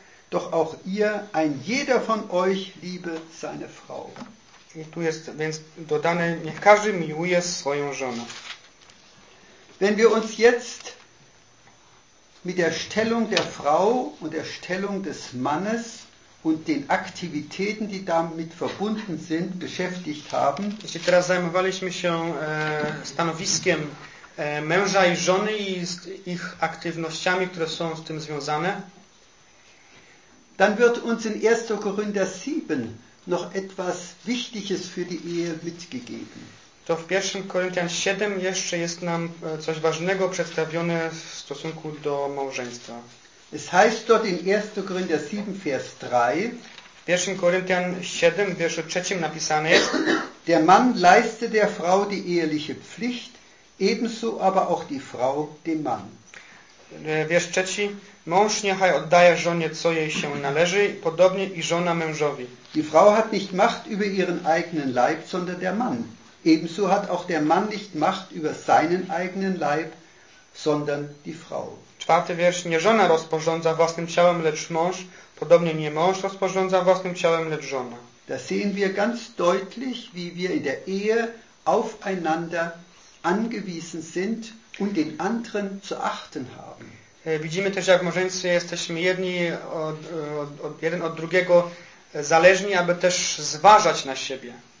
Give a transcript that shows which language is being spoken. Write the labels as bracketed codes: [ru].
[de] Doch auch ihr, ein jeder von euch liebe seine Frau. [pl] I tu jest więc dodane, niech każdy miłuje swoją żonę. [de] Wenn wir uns jetzt mit der Stellung der Frau und der Stellung des Mannes und den Aktivitäten, die damit verbunden sind, beschäftigt haben. [pl] Jeśli teraz zajmowaliśmy się stanowiskiem męża i żony i ich aktywnościami, które są z tym związane, [de] dann wird uns in 1. Korinther 7 noch etwas Wichtiges für die Ehe mitgegeben. [pl] To w 1. Korinthian 7 jeszcze jest nam coś ważnego przedstawione w stosunku do małżeństwa. [de] Es heißt dort in 1. Korinther 7, Vers 3, [pl] w 1. Korinthian 7, wierszu 3 napisane jest, [de] der Mann leiste der Frau die eheliche Pflicht, ebenso aber auch die Frau dem Mann. [pl] Wiersz 3, mąż niechaj oddaje żonie, co jej się należy, podobnie i żona mężowi. [de] Die Frau hat nicht Macht über ihren eigenen Leib, sondern der Mann. Ebenso hat auch der Mann nicht Macht über seinen eigenen Leib, sondern die Frau. [pl] Czwarty wiersz, nie żona rozporządza własnym ciałem, lecz mąż, podobnie nie mąż rozporządza własnym ciałem, lecz żona. [de] Da sehen wir ganz deutlich, wie wir in der Ehe aufeinander angewiesen sind und den anderen zu achten haben. [pl] Widzimy też, jak w małżeństwie jesteśmy jedni jeden od drugiego zależni, aby też zważać na siebie.